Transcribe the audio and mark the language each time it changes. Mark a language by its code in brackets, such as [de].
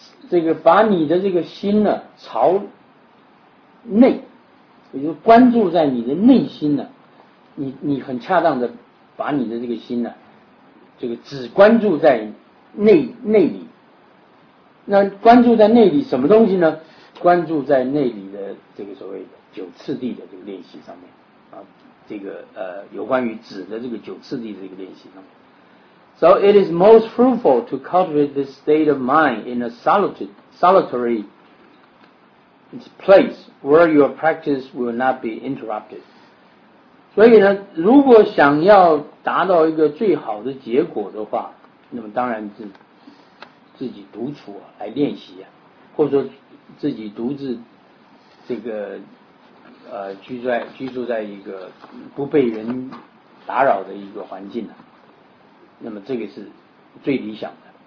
[zh] 这个把你的这个心呢朝内，也就是关注在你的内心呢，你很恰当的把你的这个心呢、啊、这个只关注在内里。那关注在内里什么东西呢？关注在内里的这个所谓九次第的这个练习上面啊，这个有关于止的这个九次第的这个练习上面。 [en] So it is most fruitful to cultivate this state of mind in a solitary place where your practice will not be interrupted. [zh] 所以呢，如果想要达到一个最好的结果的话，那么当然是自己独处啊，来练习啊，或者说自己独自这个居住在一个不被人打扰的一个环境啊，那么这个是最理想的。